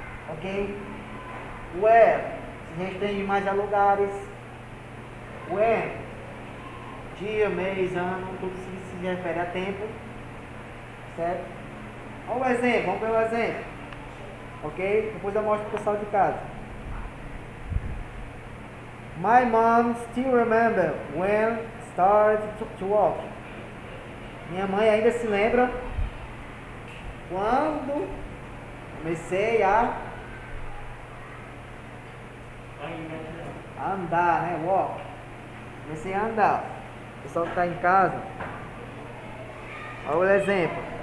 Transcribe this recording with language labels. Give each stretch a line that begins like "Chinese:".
Portuguese: Ok? Where, se a gente tem mais a lugares. When, dia, mês, ano, tudo isso se refere a tempo. Certo? Olha o exemplo, vamos ver o exemplo. Ok? Depois eu mostro para o pessoal de casa.
English: My mom still remember when started to walk.
Portuguese: Minha mãe ainda se lembra quando comecei a andar, né? Walk. Comecei a andar. O pessoal que está em casa. Olha o exemplo.